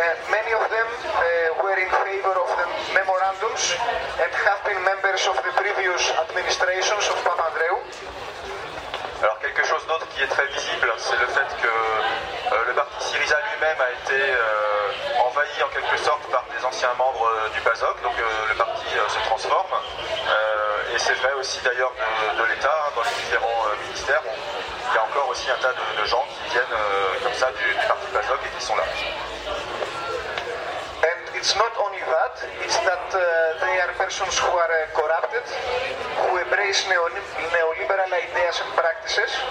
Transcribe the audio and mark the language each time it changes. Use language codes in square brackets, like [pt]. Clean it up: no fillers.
[en] Many of them were in favor of the memorandums and have been members of the previous administrations of Papandreou. [fr] Alors quelque chose d'autre qui est très visible, c'est le fait que le parti Syriza lui-même a été envahi en quelque sorte par des anciens membres du PASOK, donc le parti se transforme. Et c'est vrai aussi d'ailleurs de l'État, hein, dans les différents ministères, il y a encore aussi un tas de gens qui viennent comme ça du parti PASOK et qui sont là. [en] And it's not only that, it's that they are persons who are corrupted, who embrace neoliberal ideas and practices.